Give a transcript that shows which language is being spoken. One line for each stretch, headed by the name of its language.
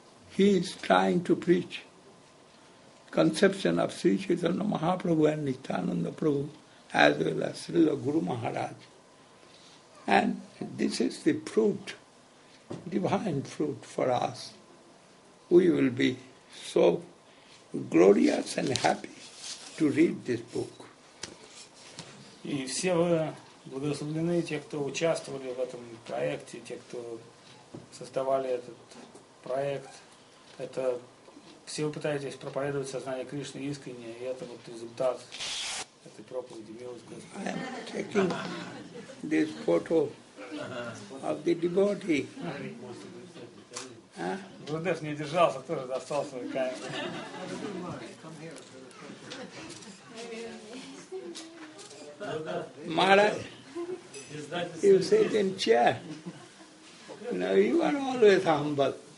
English: He is trying to preach conception of Sri Chaitanya Mahaprabhu and Nityananda Prabhu as well as Srila Guru Maharaj. And this is the fruit, divine fruit for us. We will be so glorious and happy to read this book.
Russian: И все вы благословлены, те, кто участвовали в этом проекте, те, кто создавали этот проект. Это все вы пытаетесь проповедовать сознание Кришны искренне, и это вот результат этой проповеди милости.
English: I am taking this photo of the devotee.
Russian: Гурдев не держался, тоже достал свою камеру.
English: Maharaj, you sit in chair. Now you are always humble.